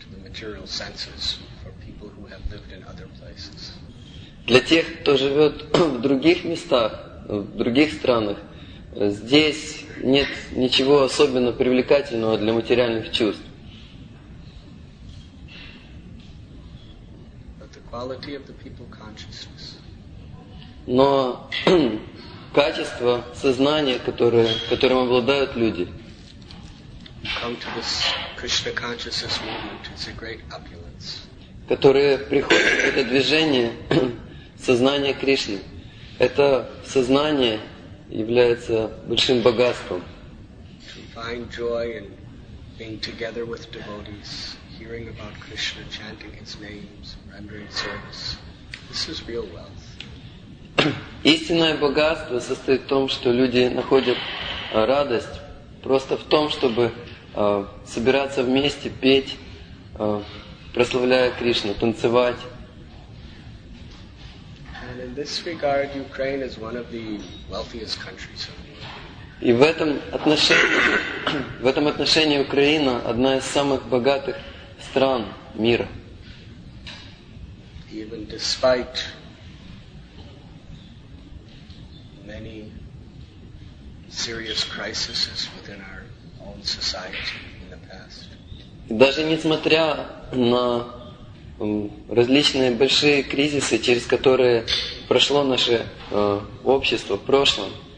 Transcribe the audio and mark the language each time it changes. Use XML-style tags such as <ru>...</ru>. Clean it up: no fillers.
<en>Material senses for people who have lived in other places.</en> <ru>Для тех, кто живет в других местах, в других странах, здесь нет ничего особенно привлекательного для материальных чувств.</ru> <en>But the quality of the people consciousness.</en> <ru>Но качество сознания, которым обладают люди.</ru> <en>Come to this Krishna consciousness movement. It's a great opulence.</en> <ru>Которые приходят в это движение сознания Кришны. Это сознание является большим богатством.</ru> <en>To find joy in being together with devotees, hearing about Krishna, chanting his names, rendering service. This is real wealth.</en> <ru>Истинное богатство состоит в том, что люди находят радость просто в том, чтобы собираться вместе, петь, прославляя Кришну, танцевать.</ru> <en>In this regard, Ukraine is one of the wealthiest countries in the world.</en> <ru>И в этом отношении Украина одна из самых богатых стран мира.</ru> <en>Even despite many serious crises within our own society in the past.</en> <ru>Даже несмотря на различные большие кризисы, через которые прошло наше общество в прошлом.</ru>